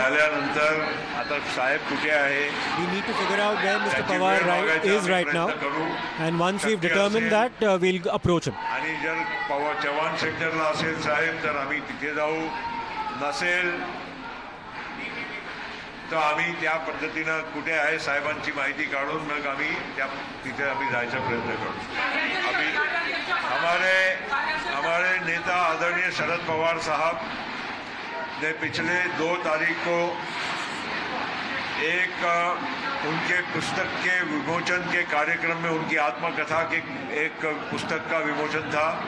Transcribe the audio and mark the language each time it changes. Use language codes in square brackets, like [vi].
[mr] झाल्यानंतर आता साहेब कुठे आहे? [en] We need to figure out where mister Pawar is right now and once we have determined that we'll approach him. [mr] आणि जर पवार चव्हाण सेक्टरला असेल साहेब तर आम्ही तिथे जाऊ, नसेल तर आम्ही त्या पद्धतीनं कुठे आहे साहेबांची माहिती काढून मग आम्ही त्या तिथे आम्ही जायचा प्रयत्न करू. [hi] आम्ही हमारे नेता आदरणीय शरद पवार साहब ने पिछले 2 तारीख को एक उनके पुस्तक के विमोचन के कार्यक्रम में उनकी आत्मकथा के एक पुस्तक का विमोचन था.